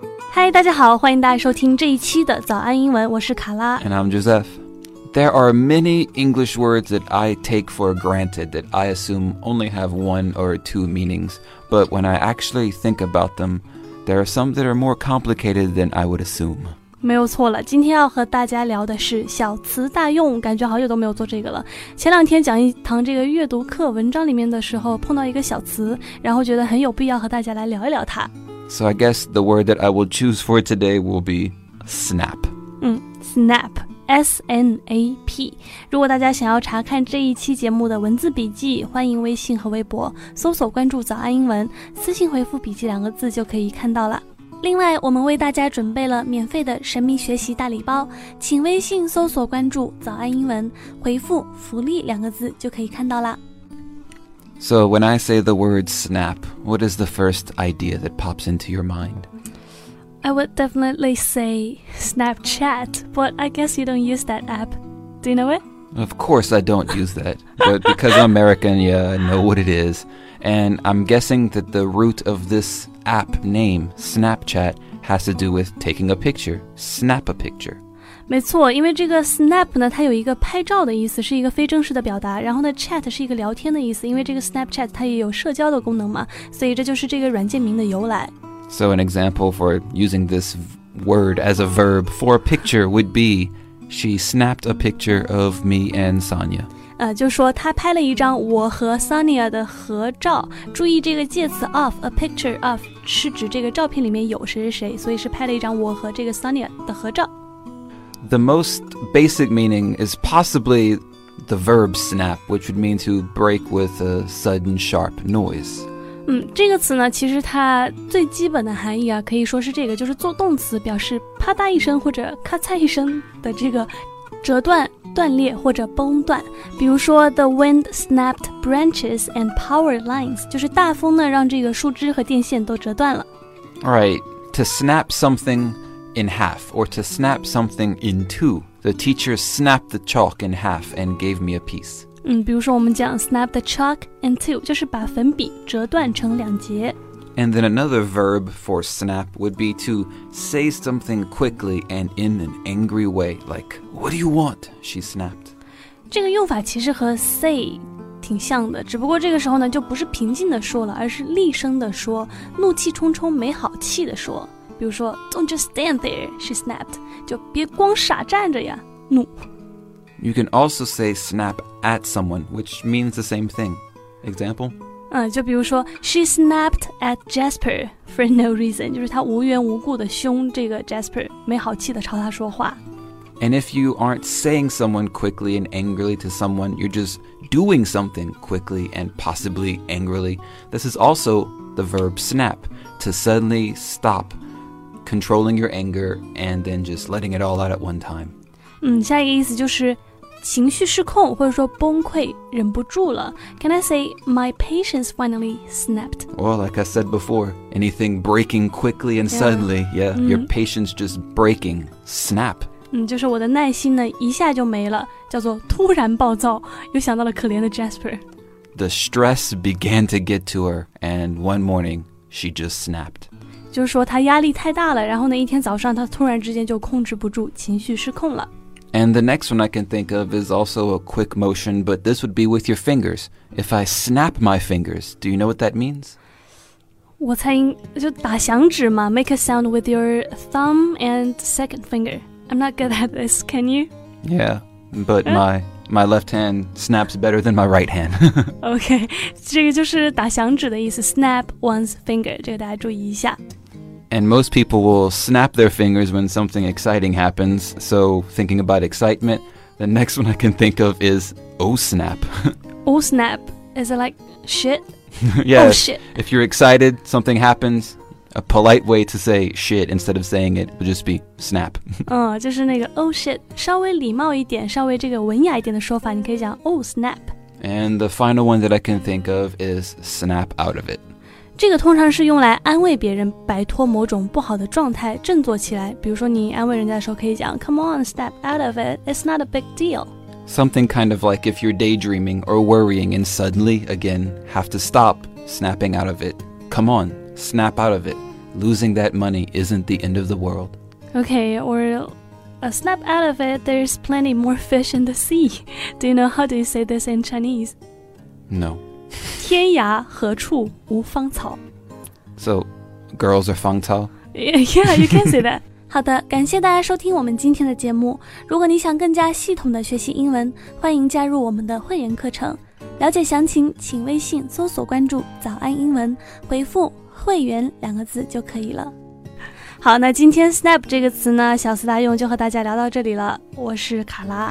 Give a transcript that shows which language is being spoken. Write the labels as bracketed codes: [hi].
[zh] 嗨，大家好，欢迎大家收听这一期的早安英文，我是卡拉。 [en] And I'm Joseph. There are many English words that I take for granted that I assume only have one or two meanings. But when I actually think about them, there are some that are more complicated than I would assume. [zh] 没有错了，今天要和大家聊的是小词大用，感觉好久都没有做这个了。前两天讲一堂这个阅读课文章里面的时候，碰到一个小词，然后觉得很有必要和大家来聊一聊它。 [en] So I guess the word that I will choose for today will be snap. Snap, S-N-A-P. [zh] 如果大家想要查看这一期节目的文字笔记，欢迎微信和微博搜索关注早安英文，私信回复笔记两个字就可以看到了。另外我们为大家准备了免费的神秘学习大礼包，请微信搜索关注早安英文，回复福利两个字就可以看到了。 [en] So when I say the word snap, what is the first idea that pops into your mind? I would definitely say Snapchat, but I guess you don't use that app. Do you know it? Of course I don't use that, but because I'm American, yeah, I know what it is. And I'm guessing that the root of thisApp name Snapchat has to do with taking a picture. Snap a picture. [zh] 没错，因为这个 snap 呢，它有一个拍照的意思，是一个非正式的表达。然后呢 ，chat 是一个聊天的意思，因为这个 Snapchat 它也有社交的功能嘛，所以这就是这个软件名的由来。 [en] So an example for using this word as a verb for a picture would be, she snapped a picture of me and Sonia. [zh] 就说他拍了一张我和 Sonia 的合照，注意这个介词 of, [en] a picture of, [zh] 是指这个照片里面有谁是谁，所以是拍了一张我和这个 Sonia 的合照。 [en] The most basic meaning is possibly the verb snap, which would mean to break with a sudden sharp noise. [zh] 这个词呢其实它最基本的含义啊可以说是这个，就是做动词表示啪嗒一声或者咔嚓一声的这个折断。断裂或者崩断，比如说 [en] the wind snapped branches and power lines, [zh] 就是大风呢让这个树枝和电线都折断了。 [en] Alright, to snap something in half or to snap something in two, the teacher snapped the chalk in half and gave me a piece. [zh] 比如说我们讲 [en] snap the chalk in two, [zh] 就是把粉笔折断成两截。 [en] And then another verb for snap would be to say something quickly and in an angry way, like, what do you want? She snapped. [zh] 这个用法其实和 say 挺像的，只不过这个时候呢，就不是平静的说了，而是厉声的说，怒气冲冲，没好气的说。比如说 [en] don't just stand there, she snapped. [zh] 就别光傻站着呀，怒。 [en] You can also say snap at someone, which means the same thing. Example? [zh] 就比如说 [en] she snapped at Jasper for no reason, [zh] 就是她无缘无故的凶这个 Jasper, 没好气的朝他说话。 [en] And if you aren't saying someone quickly and angrily to someone, you're just doing something quickly and possibly angrily. This is also the verb snap, to suddenly stop controlling your anger and then just letting it all out at one time. [zh] 下一个意思就是情绪失控或者说崩溃忍不住了。 [en] Can I say my patience finally snapped? Well, like I said before, anything breaking quickly and suddenly, yeah, your patience just breaking, snap. [zh] 就是我的耐心呢一下就没了，叫做突然暴躁，又想到了可怜的 Jasper. [en] The stress began to get to her, and one morning, she just snapped. [zh] 就是说她压力太大了，然后呢一天早上她突然之间就控制不住，情绪失控了。 [en] And the next one I can think of is also a quick motion, but this would be with your fingers. If I snap my fingers, do you know what that means? [zh] 我猜应就打响指嘛 [en] make a sound with your thumb and second finger. I'm not good at this, can you? Yeah, but my left hand snaps better than my right hand. [zh] Okay, 这个就是打响指的意思 [en] snap one's finger, [zh] 这个大家注意一下。 [en] And most people will snap their fingers when something exciting happens. So, thinking about excitement, the next one I can think of is, oh snap. Oh snap. Is it like, shit? Yeah. Oh shit. If you're excited, something happens, a polite way to say shit instead of saying it would just be snap. [zh] 就是那个 [en] oh shit. [zh] 稍微礼貌一点，稍微这个文雅一点的说法，你可以讲 [en] oh snap. And the final one that I can think of is snap out of it. [zh] 这个通常是用来安慰别人摆脱某种不好的状态振作起来，比如说你安慰人家的时候可以讲 [en] Come on, step out of it, it's not a big deal. Something kind of like if you're daydreaming or worrying and suddenly, again, have to stop snapping out of it, come on, snap out of it. Losing that money isn't the end of the world. Okay, or snap out of it, there's plenty more fish in the sea. Do you know how do you say this in Chinese? No. [zh] 天涯何处无芳草。 [en] So, girls are 芳草? Yeah, you can say that. [zh] 好的，感谢大家收听我们今天的节目。如果你想更加系统的学习英文，欢迎加入我们的会员课程。了解详情，请微信搜索关注“早安英文”，回复“会员”两个字就可以了。好，那今天 “snap” 这个词呢，小思大用就和大家聊到这里了。我是卡拉